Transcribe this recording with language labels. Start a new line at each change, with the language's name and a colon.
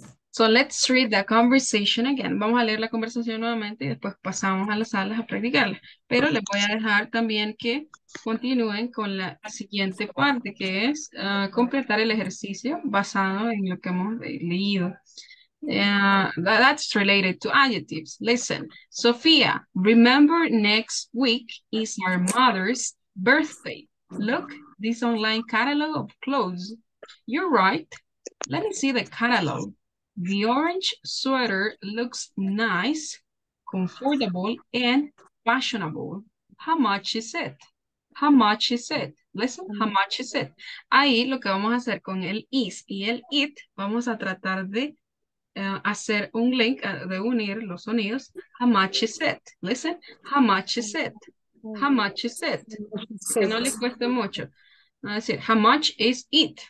English: So let's read the conversation again.
Spanish: Vamos a leer la conversación nuevamente y después pasamos a las salas a practicarla. Pero les voy a dejar también que continúen con la siguiente parte, que es completar el ejercicio basado en lo que hemos leído.
English: That's related to adjectives. Listen, Sofía, remember next week is our mother's birthday. Look, this online catalog of clothes. You're right. Let me see the catalog. The orange sweater looks nice, comfortable, and fashionable. How much is it? How much is it? Listen, how much is it?
Spanish: Ahí lo que vamos a hacer con el is y el it, vamos a tratar de hacer un link, de unir los sonidos.
English: How much is it? Listen, how much is it? How much is it?
Spanish: Que no les cueste mucho. No decir,
English: how much is it?